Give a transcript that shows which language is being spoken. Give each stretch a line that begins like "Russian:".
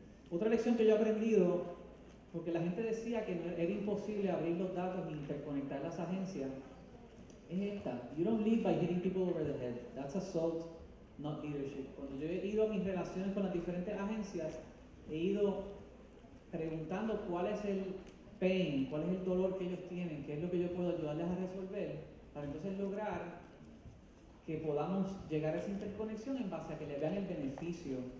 Spanish: Otra lección que yo he aprendido, porque la gente decía que no, era imposible abrir los datos e interconectar las agencias, es esta:
English: you don't lead by hitting people over the head. That's assault, not leadership.
Spanish: Cuando yo he ido a mis relaciones con las diferentes agencias, he ido preguntando cuál es el pain, cuál es el dolor que ellos tienen, qué es lo que yo puedo ayudarles a resolver, para entonces lograr que podamos llegar a esa interconexión en base a que le vean el beneficio.